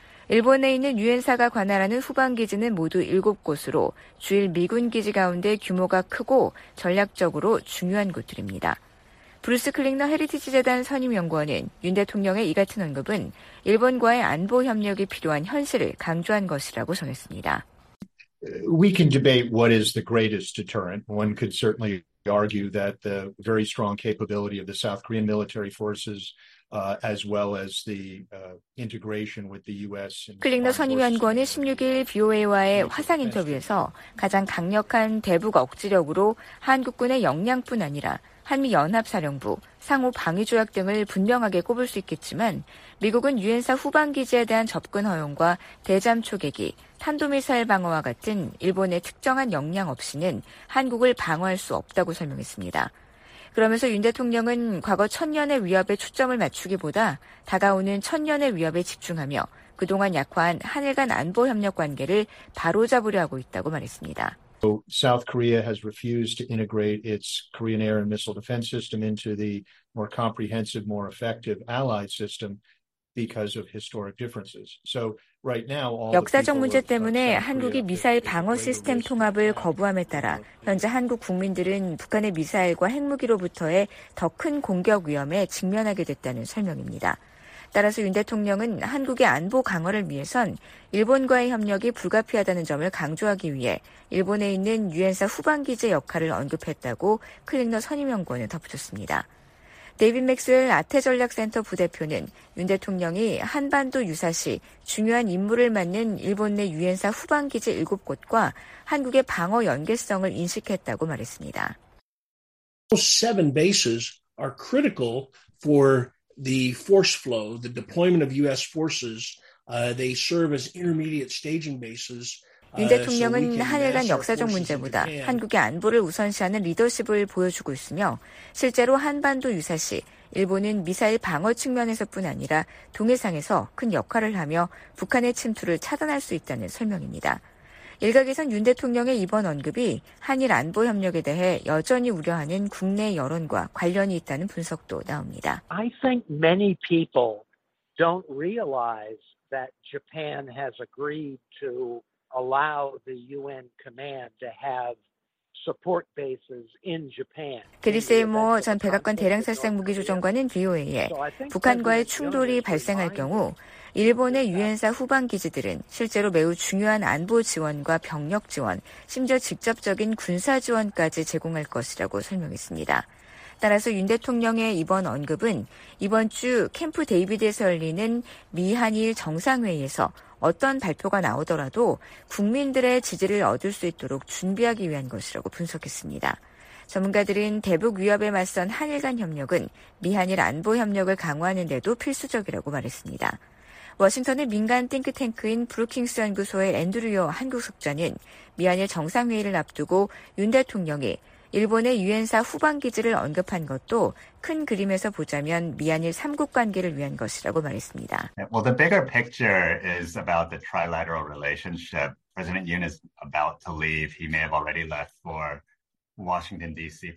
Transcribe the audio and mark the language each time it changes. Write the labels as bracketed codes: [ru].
[ko] 일본에 있는 유엔사가 관할하는 후방기지는 모두 7곳으로 주일 미군기지 가운데 규모가 크고 전략적으로 중요한 곳들입니다. 브루스 클링너 헤리티지 재단 선임연구원은 윤 대통령의 이 같은 언급은 일본과의 안보 협력이 필요한 현실을 강조한 것이라고 전했습니다. [en] We can debate what is the greatest deterrent. One could certainly argue that the very strong capability of the South Korean military forces as well as the integration with the US. [ko] 클링너 선임연구원은 16일 VOA와의 화상 인터뷰에서 가장 강력한 대북 억지력으로 한국군의 역량뿐 아니라 한미연합사령부, 상호방위조약 등을 분명하게 꼽을 수 있겠지만 미국은 유엔사 후방기지에 대한 접근 허용과 대잠초계기, 탄도미사일 방어와 같은 일본의 특정한 역량 없이는 한국을 방어할 수 없다고 설명했습니다. 그러면서 윤 대통령은 과거 천년의 위협에 초점을 맞추기보다 다가오는 천년의 위협에 집중하며 그동안 약화한 한일 간 안보협력 관계를 바로잡으려 하고 있다고 말했습니다. [en] South Korea has refused to integrate its Korean air and missile defense system into the more comprehensive, more effective allied system because of historic differences. So right now, all [ko] 역사적 문제 때문에 한국이 미사일 방어 시스템 통합을 거부함에 따라 현재 한국 국민들은 북한의 미사일과 핵무기로부터의 더 큰 공격 위험에 직면하게 됐다는 설명입니다. 따라서 윤 대통령은 한국의 안보 강화를 위해선 일본과의 협력이 불가피하다는 점을 강조하기 위해 일본에 있는 유엔사 후방기지 역할을 언급했다고 클링너 선임연구원에 덧붙였습니다. 데이빗 맥스웰 아태전략센터 부대표는 윤 대통령이 한반도 유사시 중요한 임무를 맡는 일본 내 유엔사 후방기지 7곳과 한국의 방어 연계성을 인식했다고 말했습니다. [en] Seven bases are critical for the force flow, the deployment of U.S. forces, they serve as intermediate staging bases. [ko] 윤 대통령은 한일 간 역사적 문제보다 한국의 안보를 우선시하는 리더십을 보여주고 있으며 실제로 한반도 유사시 일본은 미사일 방어 측면에서뿐 아니라 동해상에서 큰 역할을 하며 북한의 침투를 차단할 수 있다는 설명입니다. 일각에선 윤 대통령의 이번 언급이 한일 안보 협력에 대해 여전히 우려하는 국내 여론과 관련이 있다는 분석도 나옵니다. [en] I think many people don't realize that Japan has agreed to allow the UN command to have support bases in Japan. [ko] 그리스의 모 전 백악관 대량살상 무기 조정관은 VOA에 북한과의 충돌이 발생할 경우 일본의 유엔사 후방기지들은 실제로 매우 중요한 안보 지원과 병력 지원, 심지어 직접적인 군사 지원까지 제공할 것이라고 설명했습니다. 따라서 윤 대통령의 이번 언급은 이번 주 캠프 데이비드에서 열리는 미한일 정상회의에서 어떤 발표가 나오더라도 국민들의 지지를 얻을 수 있도록 준비하기 위한 것이라고 분석했습니다. 전문가들은 대북 위협에 맞선 한일 간 협력은 미한일 안보 협력을 강화하는 데도 필수적이라고 말했습니다. 워싱턴의 민간 띵크탱크인 브루킹스 연구소의 앤드류어 한국 석좌는 미한일 정상회의를 앞두고 윤 대통령이 일본의 유엔사 후방기지를 언급한 것도 큰 그림에서 보자면 미한일 3국 관계를 위한 것이라고 말했습니다. [en] Well, the bigger picture is about the trilateral relationship. President Yoon is about to leave. He may have already left for Washington D.C.